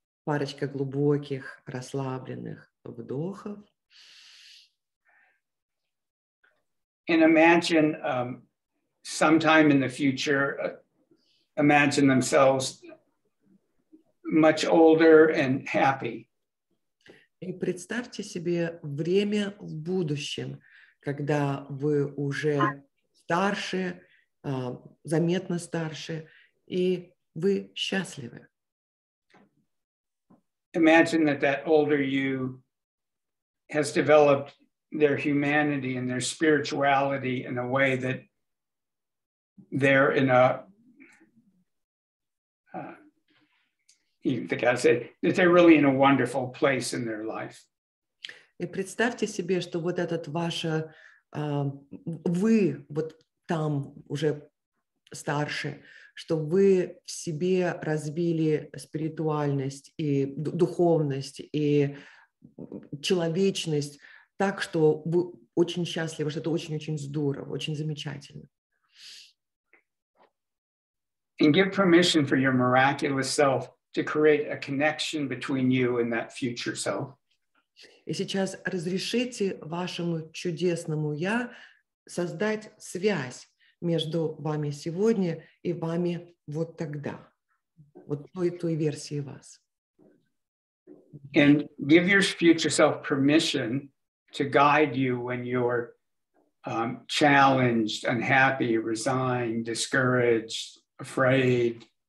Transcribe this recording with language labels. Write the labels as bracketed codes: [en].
[ru] Парочка глубоких, расслабленных вдохов. [en] And imagine sometime in the future, imagine themselves much older and happy. [ru] И представьте себе время в будущем, когда вы уже старше, заметно старше, и вы счастливы. [en] Imagine that older you has developed their humanity and their spirituality in a way that they're in a that they're really in a wonderful place in their life. [ru] И представьте себе, что вот этот ваше вы вот там уже старше, что вы в себе развили спиритуальность и духовность и человечность так, что вы очень счастливы, что это очень-очень здорово, очень замечательно. [en] And give permission for your miraculous self to create a connection between you and that future self. [ru] И сейчас разрешите вашему чудесному я создать связь между вами сегодня и вами вот тогда, вот той версии вас. [en] And give your future self permission to guide you when you're challenged, unhappy, resigned, discouraged, afraid.